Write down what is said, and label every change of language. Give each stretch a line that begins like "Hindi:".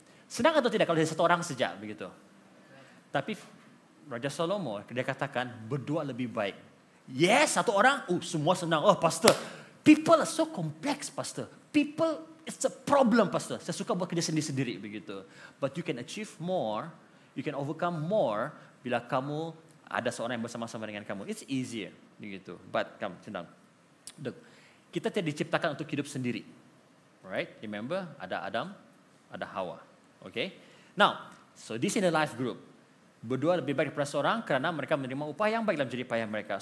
Malay: Senang atau tidak kalau ada satu orang saja begitu? Tapi Raja Salomo dia katakan berdua lebih baik. Yes, satu orang, semua senang.
English: Oh, pastor, people are so complex, pastor. People, it's a problem, pastor.
Malay: Saya suka buat kerja sendiri-sendiri begitu.
English: But you can achieve more, you can overcome more
Malay: bila kamu ada seorang yang bersama-sama dengan kamu.
English: It's easier
Malay: begitu. But come, senang. Look, kita tidak diciptakan untuk hidup sendiri.
English: Right? Remember,
Malay: ada Adam, ada Hawa.
English: Okay? Now, so this in the life group.
Malay: Berdua lebih baik daripada seorang kerana mereka menerima upah yang baik dalam jerih payah mereka.